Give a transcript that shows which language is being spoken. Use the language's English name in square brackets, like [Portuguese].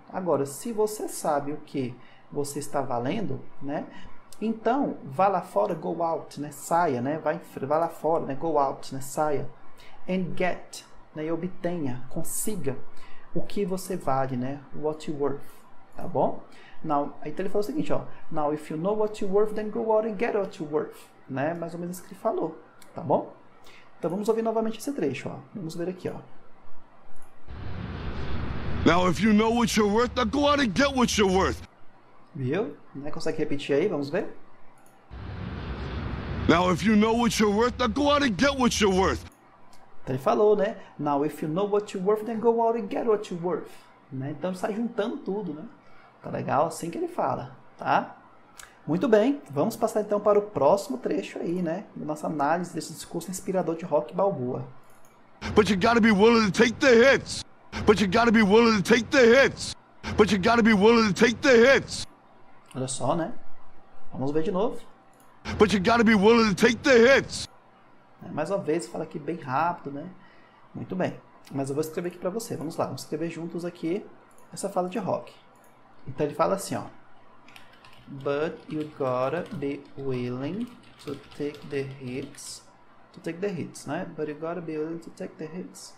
[Portuguese] Agora, se você sabe o que você está valendo, né? Então, vá lá fora, [English] go out, [Portuguese] né? Saia, né? Vai lá fora, né? Go out, né? Saia. [English] And get, né? [Portuguese] E obtenha, consiga o que você vale, né? [English] What you're worth, [Portuguese] tá bom? [English] Now, [Portuguese] então, ele falou o seguinte, ó. [English] Now, if you know what you're worth, then go out and get what you're worth, né? [Portuguese] Mais ou menos isso que ele falou, tá bom? Então, vamos ouvir novamente esse trecho, ó. Vamos ver aqui, ó. [English] Now, if you know what you're worth, then go out and get what you're worth. [Portuguese] Viu? Né? Consegue repetir aí? Vamos ver. [English] Now if you know what you're worth, then go out and get what you're worth. [Portuguese] Então ele falou, né? [English] Now if you know what you're worth, then go out and get what you're worth. [Portuguese] Né? Então sai juntando tudo, né? Tá legal? Assim que ele fala, tá? Muito bem. Vamos passar então para o próximo trecho aí, né? Nossa análise desse discurso inspirador de Rock Balboa. [English] But you gotta be willing to take the hits. But you gotta be willing to take the hits. But you gotta be willing to take the hits. [Portuguese] Olha só, né? Vamos ver de novo. [English] But you gotta be willing to take the hits. [Portuguese] Mais uma vez, fala aqui bem rápido, né? Muito bem. Mas eu vou escrever aqui pra você. Vamos lá. Vamos escrever juntos aqui essa fala de Rock. Então ele fala assim, ó. [English] But you gotta be willing to take the hits. To take the hits, né? But you gotta be willing to take the hits.